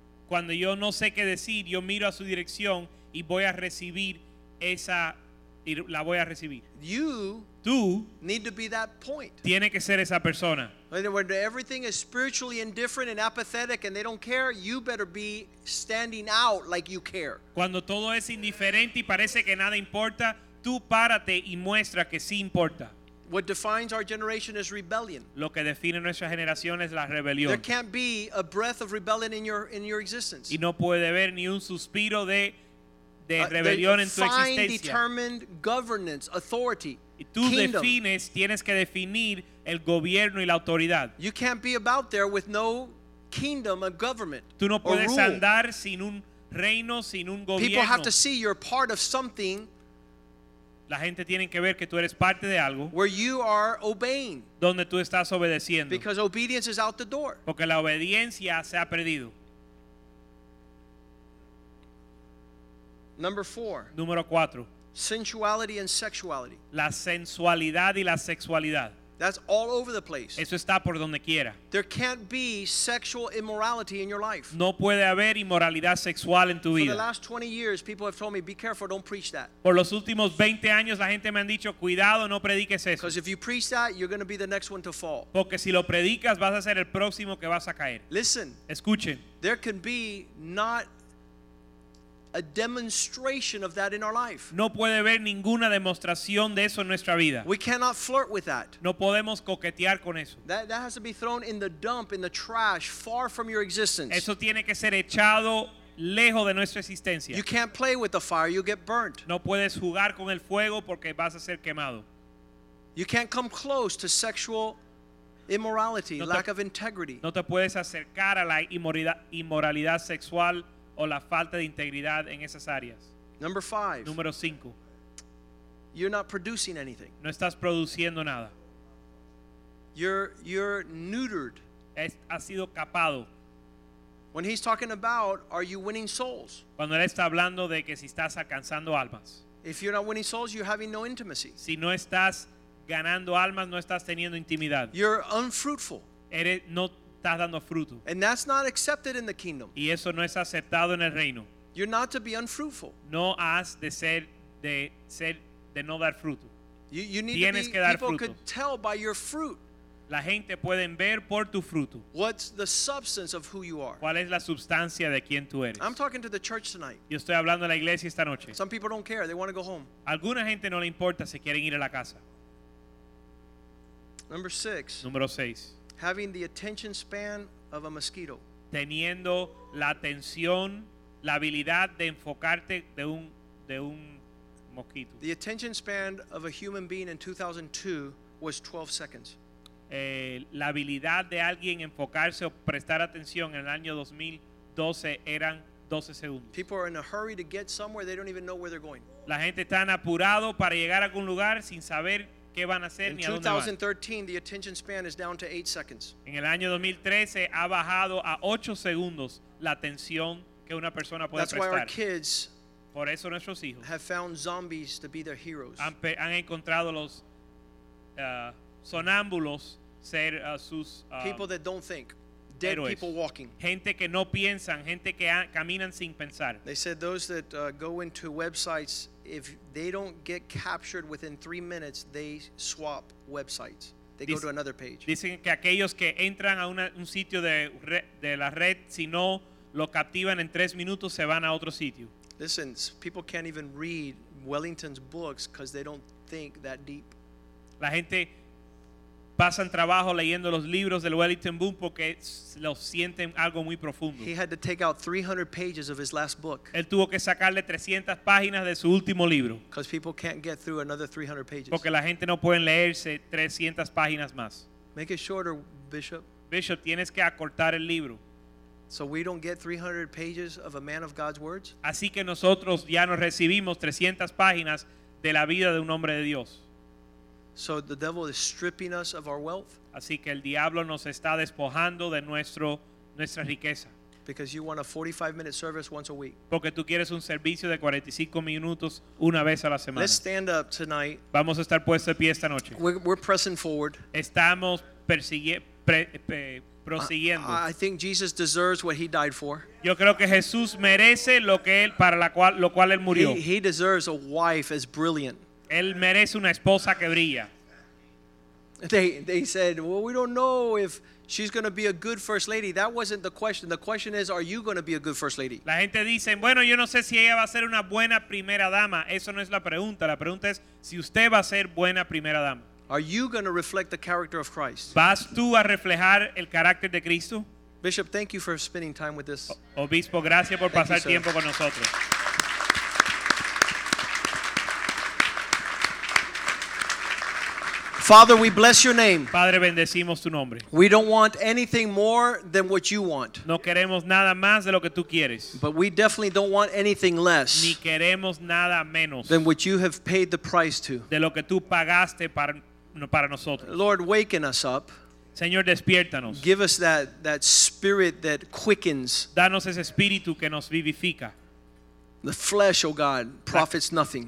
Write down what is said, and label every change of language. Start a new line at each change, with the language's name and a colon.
Spanish: Cuando yo no sé qué decir, yo miro a su dirección y voy a recibir esa y la voy a recibir.
English: You
Spanish: tú
English: need to be that point.
Spanish: Tiene que ser esa persona.
English: When everything is spiritually indifferent and apathetic and they don't care, you better be standing out like you care.
Spanish: Cuando todo es indiferente y parece que nada importa, tú párate y muestra que sí importa.
English: What defines our generation is rebellion.
Spanish: Lo que define nuestra generación es la rebelión.
English: There can't be a breath of rebellion in your existence.
Spanish: Y no puede haber ni un suspiro de rebelión en tu existencia.
English: Define determined governance, authority.
Spanish: Y tú
English: kingdom.
Spanish: Defines, tienes que definir el gobierno y la autoridad.
English: You can't be about there with no kingdom, a government.
Spanish: Tú no puedes andar sin un reino, sin un gobierno.
English: People have to see you're part of something.
Spanish: La gente tiene que ver que tú eres parte de algo.
English: Where you are obeying.
Spanish: Donde tú estás obedeciendo.
English: Because obedience is out the door.
Spanish: Porque la obediencia se ha perdido.
English: Number four.
Spanish: Número cuatro.
English: Sensuality and sexuality.
Spanish: La sensualidad y la sexualidad.
English: That's all over the place.
Spanish: Eso está por donde quiera.
English: There can't be sexual immorality in your life.
Spanish: No puede haber inmoralidad sexual en tu vida.
English: For the last 20 years, people have told me, "Be careful, don't preach that."
Spanish: Por los últimos 20 años, la gente me han dicho, "Cuidado, no prediques eso."
English: Because if you preach that, you're going to be the next one to fall.
Spanish: Porque si lo predicas, vas a ser el próximo que vas a caer.
English: Listen.
Spanish: Escuchen.
English: There can be not a demonstration of that in our life.
Spanish: No puede haber ninguna demostración de eso en nuestra vida.
English: We cannot flirt with that.
Spanish: No podemos coquetear con eso.
English: That has to be thrown in the dump, in the trash, far from your existence.
Spanish: Eso tiene que ser echado lejos de nuestra existencia.
English: You can't play with the fire, you'll get burnt.
Spanish: No puedes jugar con el fuego porque vas a ser quemado.
English: You can't come close to sexual immorality, lack of integrity.
Spanish: No te puedes acercar a la inmoralidad sexual o la falta de integridad en esas áreas.
English: Number five.
Spanish: Número cinco.
English: You're not producing anything.
Spanish: No estás produciendo nada.
English: You're neutered.
Spanish: Ha sido capado.
English: When he's talking about, are you winning souls?
Spanish: Cuando él está hablando de que si estás alcanzando almas.
English: If you're not winning souls, you're having no intimacy.
Spanish: Si no estás ganando almas, no estás teniendo intimidad.
English: You're unfruitful.
Spanish: Eres no.
English: And that's not accepted in the kingdom.
Spanish: Y eso no es aceptado en el reino.
English: You're not to be unfruitful.
Spanish: No has de ser de no dar fruto.
English: You need
Spanish: tienes
English: to be,
Spanish: que dar
English: people
Spanish: fruto.
English: Could tell by your fruit.
Spanish: La gente pueden ver por tu fruto.
English: What's the substance of who you are?
Spanish: ¿Cuál es la sustancia de quién tú eres?
English: I'm talking to the church tonight.
Spanish: Yo estoy hablando a la iglesia esta noche.
English: Some people don't care. They want to go home.
Spanish: Alguna gente no le importa, se quieren ir a la casa.
English: Number six.
Spanish: Número seis.
English: Having the attention span of a mosquito.
Spanish: Teniendo la atención, la habilidad de enfocarte de un mosquito.
English: The attention span of a human being in 2002 was 12 seconds.
Spanish: La habilidad de alguien enfocarse o prestar atención en el año 2012 eran 12 segundos.
English: People are in a hurry to get somewhere, they don't even know where they're going.
Spanish: La gente está apurado para llegar a algún lugar sin saber.
English: In 2013, the attention span is down to 8 seconds.
Spanish: En el año 2013 ha bajado a 8 segundos la atención que una persona puede prestar.
English: That's why our kids,
Spanish: por eso nuestros hijos,
English: have found zombies to be their heroes.
Spanish: Han encontrado los sonámbulos ser sus
English: people that don't think.
Spanish: Héroes.
English: Dead people walking.
Spanish: Gente que no piensan, gente que caminan sin pensar.
English: They said those that go into websites, if they don't get captured within 3 minutes, they swap websites. They go to another page.
Spanish: Dicen que aquellos que entran a un sitio de la red, si no lo captivan en 3 minutos, se van a otro sitio.
English: Listen, people can't even read Wellington's books because they don't think that deep.
Spanish: La gente pasan trabajo leyendo los libros del Wellington Boom porque los sienten algo muy profundo.
English: He had to take out 300 pages of his last book.
Spanish: Él tuvo que sacarle 300 páginas de su último libro.
English: Because people can't get through another 300 pages.
Spanish: Porque la gente no puede leerse 300 páginas más.
English: Make it shorter, Bishop.
Spanish: Bishop, tienes que acortar el libro.
English: So we don't get 300 pages of a man of God's words.
Spanish: Así que nosotros ya no recibimos 300 páginas de la vida de un hombre de Dios.
English: So the devil is stripping us of our wealth.
Spanish: Así que el diablo nos está despojando de nuestra riqueza.
English: Because you want a 45-minute service once a week.
Spanish: Porque tú quieres un servicio de 45 minutos una vez a la semana.
English: Let's stand up tonight.
Spanish: Vamos a estar puestos de pie esta noche.
English: We're pressing forward.
Spanish: Estamos prosiguiendo.
English: I think Jesus deserves what he died for.
Spanish: Yo creo que Jesús merece lo que él para lo cual él murió.
English: He deserves a wife as brilliant.
Spanish: Él merece una esposa que brilla.
English: They said, well, we don't know if she's going to be a good first lady. That wasn't the question. The question is, are you going to be a good first lady?
Spanish: La gente dice, bueno, yo no sé si ella va a ser una buena primera dama. Eso no es la pregunta. La pregunta es si usted va a ser buena primera dama.
English: Are you going to reflect the character of Christ?
Spanish: ¿Vas tú a reflejar el carácter de Cristo?
English: Bishop, thank you for spending time with us.
Spanish: Obispo, gracias por pasar tiempo con nosotros.
English: Father, we bless your name.
Spanish: Padre, bendecimos tu nombre.
English: We don't want anything more than what you want.
Spanish: No queremos nada más de lo que tú quieres.
English: But we definitely don't want anything less.
Spanish: Ni queremos nada menos.
English: Than what you have paid the price to.
Spanish: De lo que tú pagaste para nosotros.
English: Lord, waken us up.
Spanish: Señor, despiértanos.
English: Give us that spirit that quickens.
Spanish: Danos ese espíritu que nos vivifica.
English: The flesh, oh God, profits nothing.